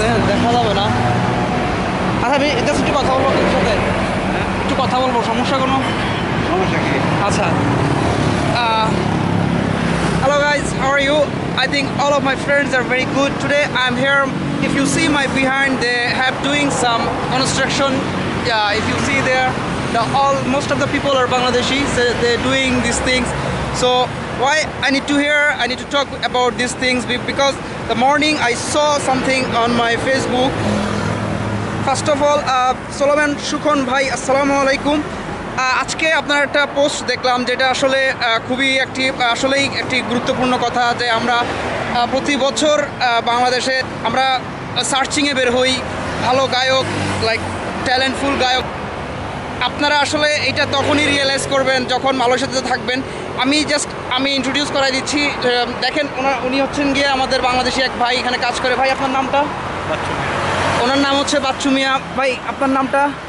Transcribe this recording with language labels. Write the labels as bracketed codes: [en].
[bn] দেখা যাবে না আচ্ছা আমি এটা একটু কথা বলবো তোর সাথে একটু কথা বলবো সমস্যা কোনো সমস্যা কি [en] আচ্ছা hello guys how are you I think all of my friends are very good today I am here If you see my behind, they have doing some construction. Yeah, if you see there, most of the people are Bangladeshi, so they're doing these things. So why I need to hear, I need to talk about these things because the morning I saw something on my Facebook. First of all, Sulaiman Shukhon bhai, assalamu alaikum. [bn] আজকে আপনার একটা post দেখলাম যেটা আসলে খুবই একটি আসলেই একটি গুরুত্বপূর্ণ কথা যে আমরা প্রতি বছর বাংলাদেশে আমরা সার্চিংয়ে বের হই ভালো গায়ক লাইক ট্যালেন্টফুল গায়ক আপনারা আসলে এটা তখনই রিয়েলাইজ করবেন যখন মালয়েশিয়াতে থাকবেন আমি জাস্ট আমি ইন্ট্রোডিউস করাই দিচ্ছি দেখেন ওনার উনি হচ্ছেন গিয়ে আমাদের বাংলাদেশি এক ভাই এখানে কাজ করে ভাই আপনার নামটা ওনার নাম হচ্ছে বাচ্চু মিয়া ভাই আপনার নামটা